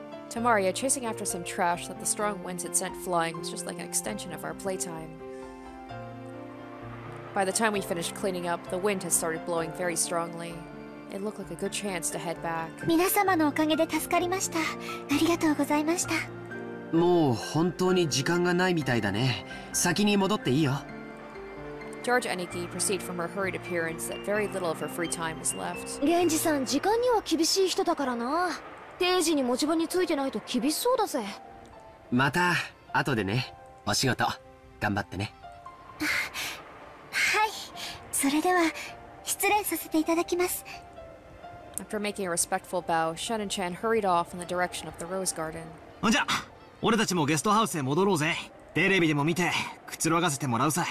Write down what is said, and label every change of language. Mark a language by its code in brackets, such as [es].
[en] To Maria, chasing after some trash that the strong winds had sent flying was just like an extension of our playtime. By the time we finished cleaning up, the wind had started blowing very strongly. It looked like a good chance to head back. [ja] 皆様のおかげで助かりました。ありがとうございました。もう本当に時間がないみたいだね。先に戻っていいよ。 [en] George Aniki perceived from her hurried appearance that very little of her free time was left. [ja] Genji-san, 時間には厳しい人だからな。定時に持ち場についてないと厳しそうだぜ。また後でね。お仕事、頑張ってね。はい。それでは失礼させていただきます。 [en] After making a respectful bow, Shannon-chan hurried off in the direction of the rose garden. [ja] じゃあ、俺たちもゲストハウスへ戻ろうぜ。テレビでも見てくつろがせてもらうさ。